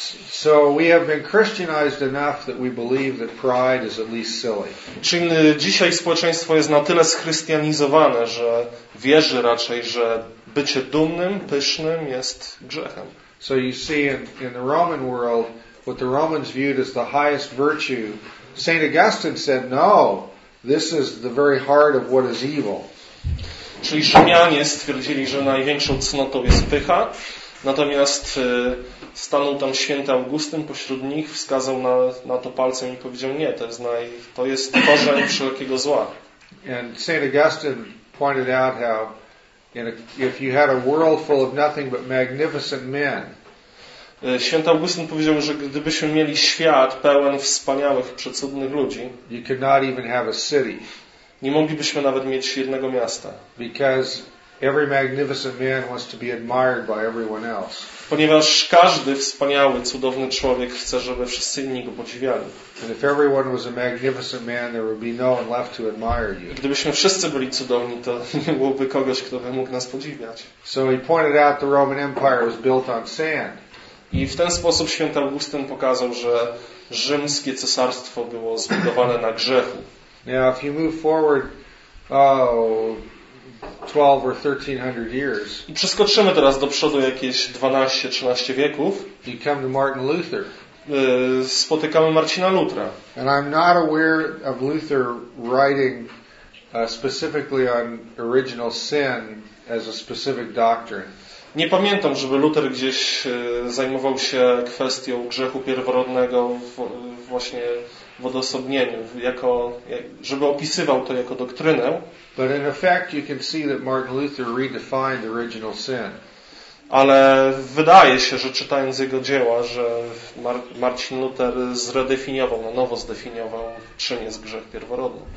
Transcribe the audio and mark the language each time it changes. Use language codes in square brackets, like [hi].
[en] So we have been Christianized enough that we believe that pride is at least silly. [pl] Czyli dzisiaj społeczeństwo jest na tyle schrystianizowane, że wierzy raczej, że bycie dumnym, pysznym jest grzechem. [en] So you see in the Roman world, what the Romans viewed as the highest virtue, Saint Augustine said, no, this is the very heart of what is evil. [pl] Czyli Rzymianie stwierdzili, że największą cnotą jest pycha. Natomiast stanął tam święty Augustyn pośród nich, wskazał na to palcem i powiedział, nie, to jest korzeń wszelkiego zła. [en] And St. Augustine pointed out how if you had a world full of nothing but magnificent men. [pl] Święty Augustyn powiedział, że gdybyśmy mieli świat pełen wspaniałych, przecudnych ludzi, [en] you could not even have a city. [pl] Nie moglibyśmy nawet mieć jednego miasta. [en] Because every magnificent man wants to be admired by everyone else. [pl] Ponieważ każdy wspaniały, cudowny człowiek chce, żeby wszyscy inni go podziwiali. [en] And if everyone was a magnificent man, there would be no one left to admire you. [pl] Gdybyśmy wszyscy byli cudowni, to nie byłoby kogoś, kto by mógł nas podziwiać. [en] So he pointed out the Roman Empire was built on sand. [pl] I w ten sposób święty Augustyn pokazał, że rzymskie cesarstwo było zbudowane na grzechu. [en] Now, if you move forward, oh, 12 or 1300 years. [pl] I przeskoczymy teraz do przodu jakieś 12-13 wieków. [en] You come to Martin Luther. [pl] Spotykamy Marcina Lutra. [en] And I'm not aware of Luther writing specifically on original sin as a specific doctrine. [pl] Nie pamiętam, żeby Luther gdzieś zajmował się kwestią grzechu pierworodnego właśnie w odosobnieniu, żeby opisywał to jako doktrynę. [en] But in effect you can see that Martin Luther redefined original sin. [pl] Ale wydaje się, że czytając jego dzieła, że Marcin Luther zredefiniował, na nowo zdefiniował, czym jest grzech pierworodny.